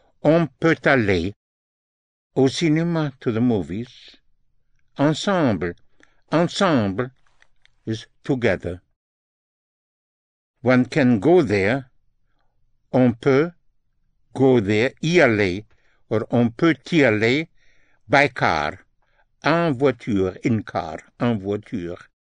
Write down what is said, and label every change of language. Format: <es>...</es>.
<fr>On peut aller au cinéma,</fr> <en>to the movies,</en> <fr>ensemble.</fr> <en>Ensemble is together. One can go there,</en> <fr>on peut</fr> <en>go there,</en> <fr>y aller, or on peut y aller</fr> <en>by car,</en> <fr>en voiture,</fr> <en>in car,</en> <fr>en voiture.</fr>